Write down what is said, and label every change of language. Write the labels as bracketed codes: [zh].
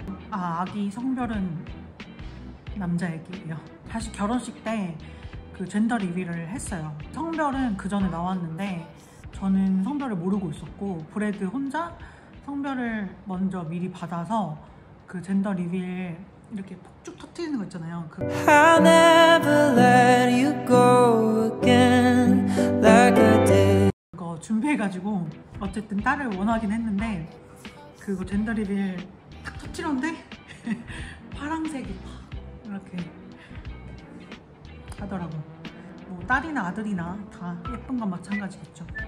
[ko] 아, 아기 성별은 남자 애기예요. 사실 결혼식 때 그 젠더 리뷰를 했어요. 성별은 그 전에 나왔는데 저는 성별을 모르고 있었고 브래드 혼자 성별을 먼저 미리 받아서 그 젠더 리빌 이렇게 폭죽 터뜨리는 거 있잖아요. [en] I'll never let you go again like I did. [ko] 그거 준비해가지고 어쨌든 딸을 원하긴 했는데 그거 젠더 리빌 딱 터뜨렸는데 파랑색이 막 이렇게 하더라고. 뭐 딸이나 아들이나 다 예쁜 건 마찬가지겠죠.